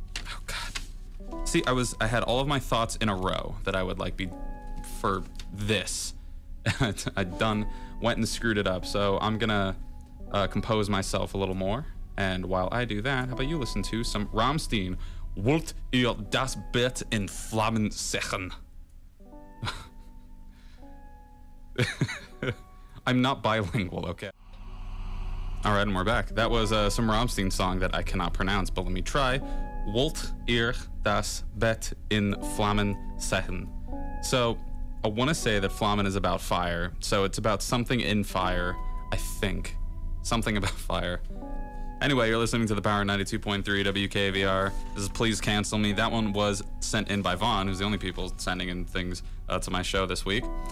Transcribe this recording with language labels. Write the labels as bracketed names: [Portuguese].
[English] Oh god. See, I had all of my thoughts in a row that I would like be for this. I went and screwed it up. So I'm gonna compose myself a little more. And while I do that, how about you listen to some Rammstein? [German] Wollt ihr das Bett in Flammen sehen? [English] I'm not bilingual, okay? All right, and we're back. That was some Rammstein song that I cannot pronounce, but let me try. [German] Wollt ihr das Bett in Flammen sehen? [English] So I want to say that Flammen is about fire. So it's about something in fire, I think. Something about fire. Anyway, you're listening to the Power 92.3 WKVR. This is Please Cancel Me. That one was sent in by Vaughn, who's the only people sending in things to my show this week.